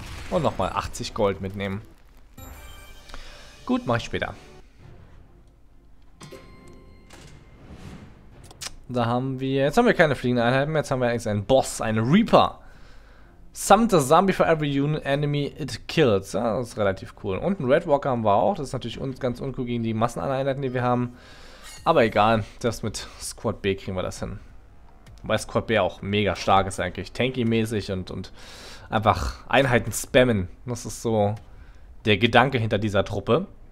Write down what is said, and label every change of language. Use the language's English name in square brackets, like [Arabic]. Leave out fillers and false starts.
[German] Und nochmal 80 Gold mitnehmen. Gut, mache ich später. Da haben wir. Jetzt haben wir keine fliegenden Einheiten mehr. Jetzt haben wir eigentlich einen Boss, einen Reaper. [English] Summon a zombie for every unit enemy it kills. [German] Ja, das ist relativ cool. Und einen Red Walker haben wir auch. Das ist natürlich uns ganz uncool gegen die Masseneinheiten, die wir haben. Aber egal, das mit Squad B kriegen wir das hin. Weil Squad B auch mega stark ist eigentlich. Tanky-mäßig und einfach Einheiten spammen. Das ist so der Gedanke hinter dieser Truppe.